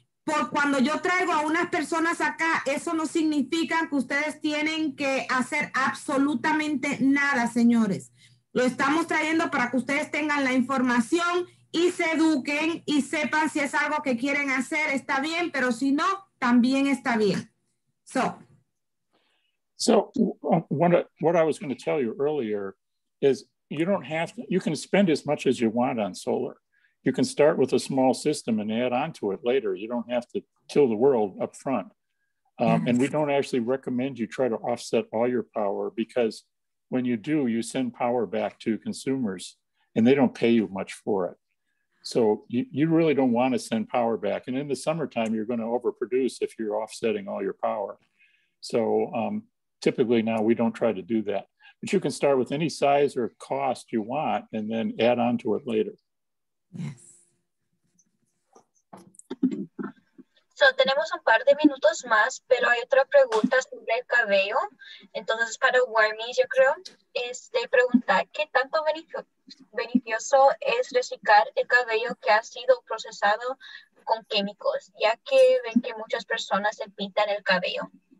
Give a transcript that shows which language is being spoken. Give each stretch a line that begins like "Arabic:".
Spanish: Por cuando yo traigo a unas personas acá, eso no significa que ustedes tienen que hacer absolutamente nada, señores. Lo estamos trayendo para que ustedes tengan la información y se eduquen y sepan si es algo que quieren hacer, está bien, pero si no, también está bien.
English: So what I was going to tell you earlier is you can spend as much as you want on solar. You can start with a small system and add on to it later. You don't have to till the world up front. And we don't actually recommend you try to offset all your power because when you do, you send power back to consumers and they don't pay you much for it. So you really don't want to send power back. And in the summertime, you're going to overproduce if you're offsetting all your power. So typically now we don't try to do that. But you can start with any size or cost you want and then add on to it later. Yes.
Spanish: So tenemos un par de minutos más, pero hay otra pregunta sobre el cabello. Entonces para Warmies, yo creo, pregunta, ¿qué tanto beneficioso es reciclar el cabello que ha sido procesado con químicos, ya que ven que muchas personas se pintan el cabello?